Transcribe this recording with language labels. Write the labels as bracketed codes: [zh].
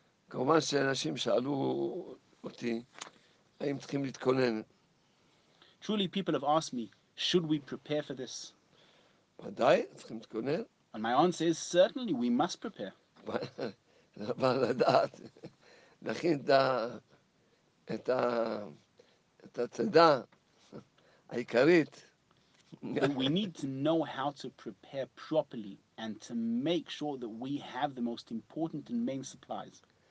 [he] כמובן שאנשים שאלו אותי, האם צריכים להתכונן. [en] Truly, people have asked me, should we prepare for this? [he] ודאי, צריכים להתכונן. [en] And my answer is, certainly, we must prepare. [he] אבל לדעת, להכין את הצדה העיקרית. [en] We need to know how to prepare properly and to make sure that we have the most important and main supplies.